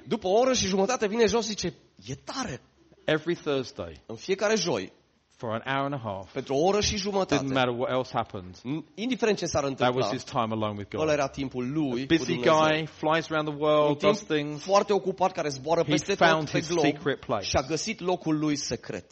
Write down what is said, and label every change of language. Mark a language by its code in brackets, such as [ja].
[ro] După o oră și jumătate vine jos și zice, "E tare." [en] Every Thursday. [ro] În fiecare joi. [en] For an hour and a half. [ro] Pentru o oră și jumătate. [en] Didn't matter what else happened. [ro] Indiferent ce s-ar întâmpla. [en] That was his time alone with God. [ro] Ăla era timpul lui. [en] A busy guy flies around the world, does things. [ro] Foarte ocupat care zboară peste tot pe glob. [en] His secret place. [ro] Și a găsit locul lui secret.